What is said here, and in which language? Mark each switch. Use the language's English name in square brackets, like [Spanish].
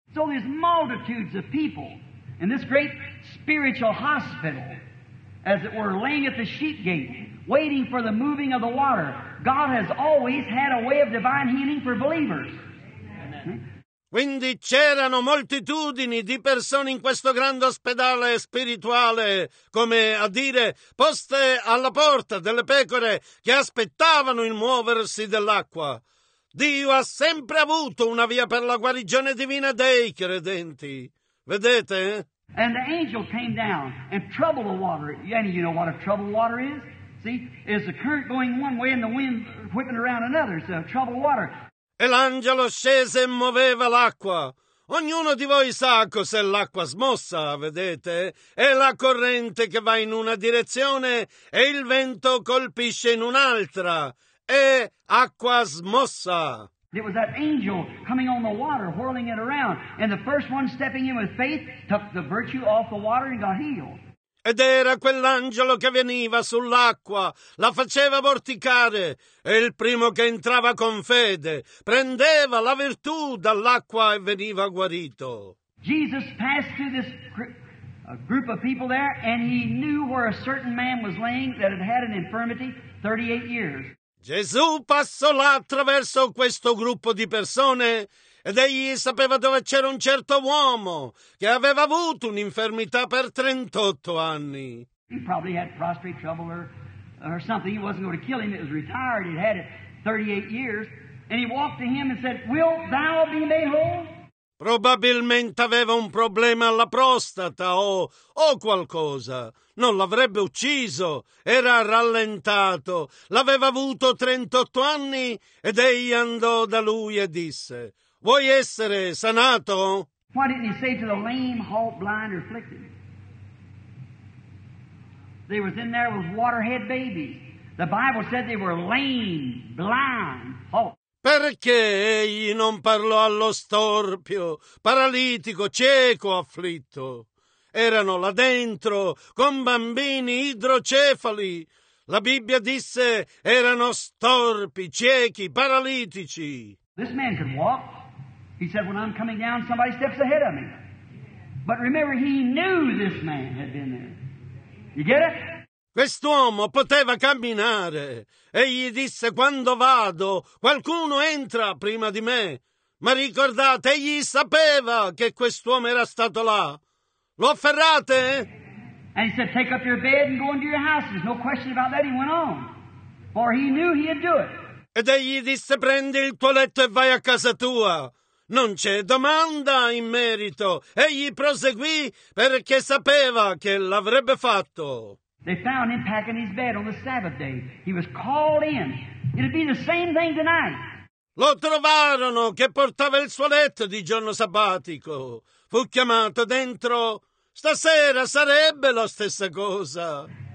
[English] So there's multitudes of people in this great spiritual hospital, as it were, laying at the sheep gate, waiting for the moving of the water. God has always had a way of divine healing for believers. [Italian] Quindi c'erano moltitudini di persone in questo grande ospedale spirituale, come a dire, poste alla porta delle pecore che aspettavano il muoversi dell'acqua. Dio ha sempre avuto una via per la guarigione divina dei credenti. Vedete? [English] And the angel came down and troubled the water. Any of you know what a troubled water is? See, is the current going one way and the wind whipping around another, so troubled water. [Italian] E l'angelo scese e muoveva l'acqua. Ognuno di voi sa cos'è l'acqua smossa, vedete? È la corrente che va in una direzione e il vento colpisce in un'altra. È acqua smossa. [English] It was that angel coming on the water, whirling it around, and the first one stepping in with faith took the virtue off the water and got healed. [Italian] Ed era quell'angelo che veniva sull'acqua, la faceva vorticare, e il primo che entrava con fede prendeva la virtù dall'acqua e veniva guarito. [English] Jesus passed through this group of people there, and he knew where a certain man was laying that had had an infirmity 38 years. [Italian] Gesù passò là attraverso questo gruppo di persone ed egli sapeva dove c'era un certo uomo che aveva avuto un'infermità per 38 anni. [English] He probably had prostate trouble or something. He wasn't going to kill him. It was retired. He had it 38 years. And he walked to him and said, "Will thou be made whole?" [Italian] Probabilmente aveva un problema alla prostata o qualcosa. Non l'avrebbe ucciso. Era rallentato. L'aveva avuto 38 anni ed egli andò da lui e disse: "Vuoi essere sanato?" [English] Why didn't he say to the lame, halt, blind, or afflicted? They was in there with waterhead babies. The Bible said they were lame, blind, halt. [Italian] Perché egli non parlò allo storpio, paralitico, cieco, afflitto? Erano là dentro con bambini idrocefali. La Bibbia disse erano storpi, ciechi, paralitici. [English] This man could walk. He said, "When I'm coming down, somebody steps ahead of me." But remember, he knew this man had been there. You get it? [Italian] Quest'uomo poteva camminare. Egli disse, "Quando vado, qualcuno entra prima di me." Ma ricordate, egli sapeva che quest'uomo era stato là. Lo afferrate? [English] And he said, "Take up your bed and go into your house." There's no question about that. He went on. For he knew he'd do it. [Italian] Ed egli disse, "Prendi il tuo letto e vai a casa tua." Non c'è domanda in merito. Egli proseguì perché sapeva che l'avrebbe fatto. [English] They found him packing his bed on the Sabbath day. He was called in. It'd be the same thing tonight. [Italian] Lo trovarono che portava il suo letto di giorno sabbatico. Fu chiamato dentro. Stasera sarebbe la stessa cosa.